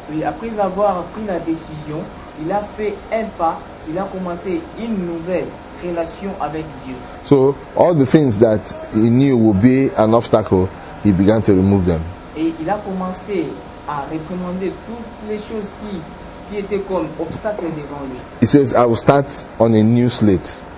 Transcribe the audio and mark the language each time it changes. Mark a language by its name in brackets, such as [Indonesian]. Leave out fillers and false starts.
[French] Oui, après avoir pris la décision, il a fait un pas, il a commencé une nouvelle relation avec Dieu. [English] So all the things that he knew would be an obstacle, he began to remove them. [French] Et il a commencé à réprimander toutes les choses qui étaient comme obstacles devant lui. [English] He says, I will start on a new slate.